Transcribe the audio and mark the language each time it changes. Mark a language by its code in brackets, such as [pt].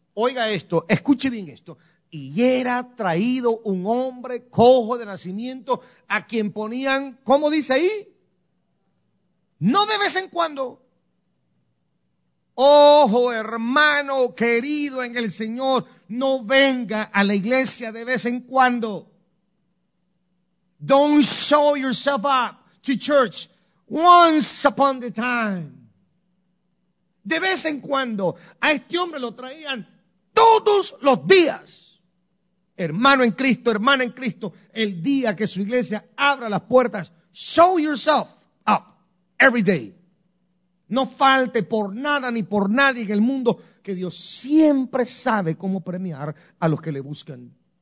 [es] Oiga esto, escuche bien esto. Y era traído un hombre cojo de nacimiento a quien ponían, ¿cómo dice ahí? No de vez en cuando. Ojo, hermano querido en el Señor, no venga a la iglesia de vez en cuando. [en] Don't show yourself up to church once upon a time. [es] De vez en cuando, a este hombre lo traían todos los días. Hermano en Cristo, el día que su iglesia abra las puertas, [en] show yourself up. Every day. [es] No falte por nada ni por nadie en el mundo, que Dios siempre sabe cómo premiar a los que le buscan.